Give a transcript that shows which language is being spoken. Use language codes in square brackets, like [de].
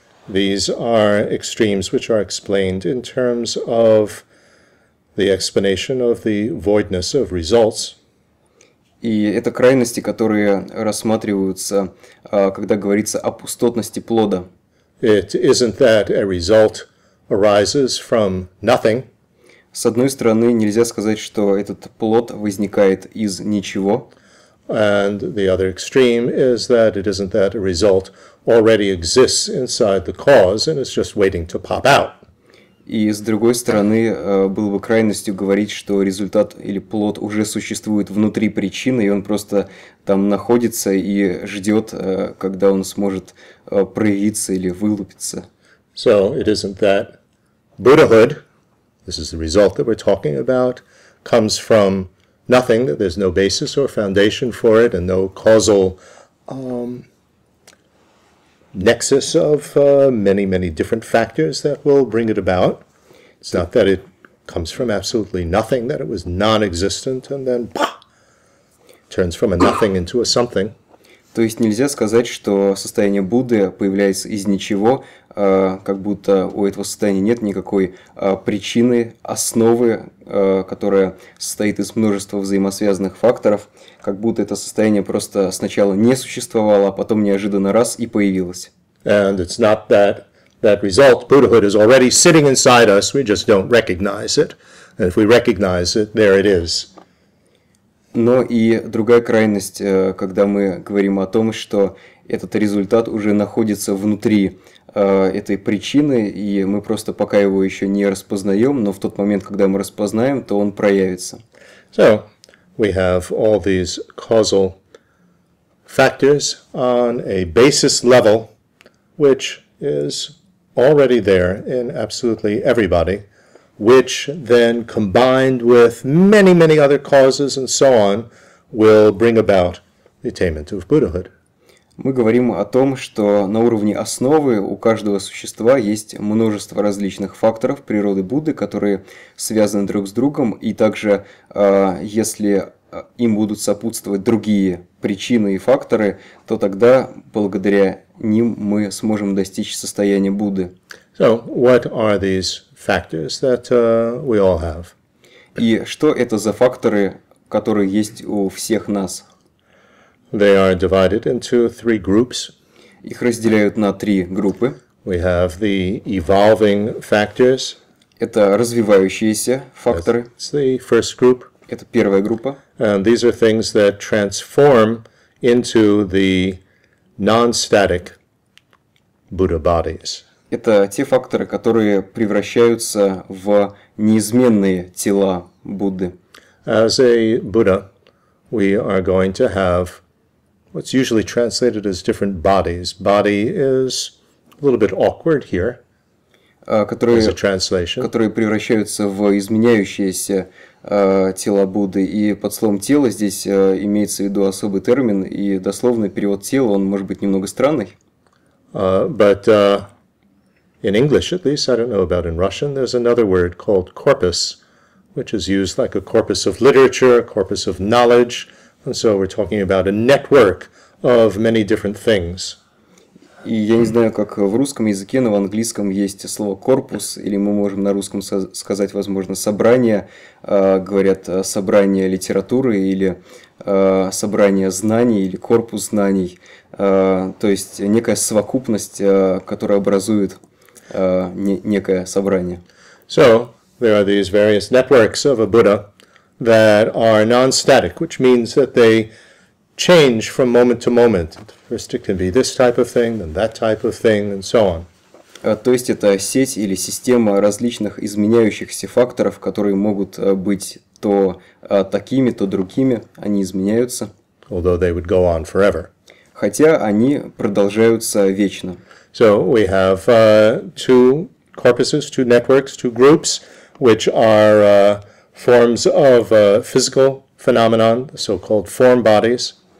[en] These are extremes which are explained in terms of the explanation of the voidness of results. [ru] И это крайности, которые рассматриваются, когда говорится о пустотности плода. [en] It isn't that a result arises from nothing. [ru] С одной стороны, нельзя сказать, что этот плод возникает из ничего. [en] And the other extreme is that it isn't that a result already exists inside the cause and it's just waiting to pop out. [ru] И с другой стороны, было бы крайностью говорить, что результат или плод уже существует внутри причины, и он просто там находится и ждет, когда он сможет проявиться или вылупиться. [en] So it isn't that Buddhahood, this is the result that we're talking about, comes from nothing, that there's no basis or foundation for it, and no causal nexus of many, many different factors that will bring it about. It's not that it comes from absolutely nothing, that it was non-existent, and then bah, turns from a nothing into a something. [ru] То есть нельзя сказать, что состояние Будды появляется из ничего, как будто у этого состояния нет никакой причины, основы, которая состоит из множества взаимосвязанных факторов, как будто это состояние просто сначала не существовало, а потом неожиданно раз и появилось. [en] And it's not that that result, Buddhahood, is already sitting inside us, we just don't recognize it. And if we recognize it, there it is. [ru] Но и другая крайность, когда мы говорим о том, что этот результат уже находится внутри этой причины, и мы просто пока его еще не распознаем, но в тот момент, когда мы распознаем, то он проявится. [en] So, we have all these causal factors on a basis level, which is already there in absolutely everybody, which then combined with many, many other causes and so on, will bring about the attainment of Buddhahood. [ru] Мы говорим о том, что на уровне основы у каждого существа есть множество различных факторов природы Будды, которые связаны друг с другом, и также, если им будут сопутствовать другие причины и факторы, то тогда, благодаря ним, мы сможем достичь состояния Будды. [en] So, what are these factors that we all have? [ru] И что это за факторы, которые есть у всех нас? [en] They are divided into three groups. [ru] Их разделяют на три группы. [en] We have the evolving factors. [ru] Это развивающиеся факторы. [en] It's the first group. [ru] Это первая группа. [en] And these are things that transform into the non-static Buddha bodies. [ru] Это те факторы, которые превращаются в неизменные тела Будды. [en] As a Buddha, we are going to have what's usually translated as different bodies. Body is a little bit awkward here, as a translation. [ru] Которые превращаются в изменяющиеся тела Будды. И под словом «тело» здесь имеется в виду особый термин, и дословный перевод «тело», он может быть немного странный. [en] But in English, at least, I don't know about in Russian, there's another word called corpus, which is used like a corpus of literature, a corpus of knowledge. And so we're talking about a network of many different things. [ru] И я не знаю, как в русском языке, но в английском есть слово «корпус», или мы можем на русском сказать, возможно, «собрание». Говорят «собрание литературы» или «собрание знаний» или «корпус знаний». То есть некая совокупность, которая образует некое собрание. [en] So, there are these various networks of a Buddha that are non-static, which means that they change from moment to moment. First it can be this type of thing, then that type of thing, and so on. [ru] То есть это сеть или система различных изменяющихся факторов, которые могут быть то такими, то другими, они изменяются. [en] Although they would go on forever. [ru] Хотя они продолжаются вечно. [en] So we have two corpuses, two networks, two groups, which are forms of physical phenomenon, so-called form bodies.